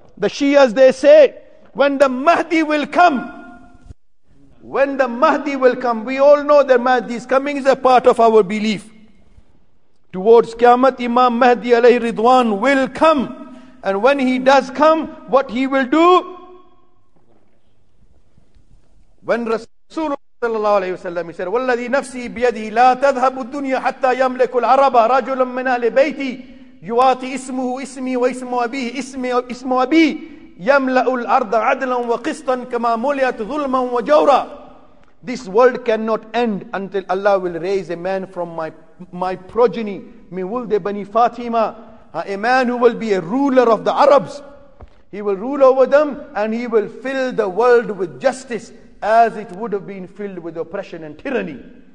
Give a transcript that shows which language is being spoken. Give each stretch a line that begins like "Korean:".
English: The Shias, they say, when the Mahdi will come, we all know that Mahdi is coming, is a part of our belief. Towards Qiyamah, Imam Mahdi alayhi ridwan will come. And when he does come, what he will do? When Rasulullah sallallahu alayhi wa sallam, he said,
Arabic: وَالَّذِي نَفْسِي بِيَدِهِ لَا تَذْهَبُ الدُّنْيَا حَتَّى يَمْلِكُ الْعَرَبَ رَجُلًا مِنْ أَهْلِ بَيْتِي يُوَاطِي إِسْمُهُ إِسْمِي وَإِسْمُ أَبِيهِ إِسْمُ أَبِيهِ يَمْلَأُ الْأَرْضَ عَدْلًا وَقِسْطًا كَمَا مُلِيَتْ ظُلْمًا وَجَوْرًا.
English: This world cannot end until Allah will raise a man from my progeny,
Arabic: min wulde bani Fatima,
English: a man who will be a ruler of the Arabs. He will rule over them and he will fill the world with justice as it would have been filled with oppression and tyranny.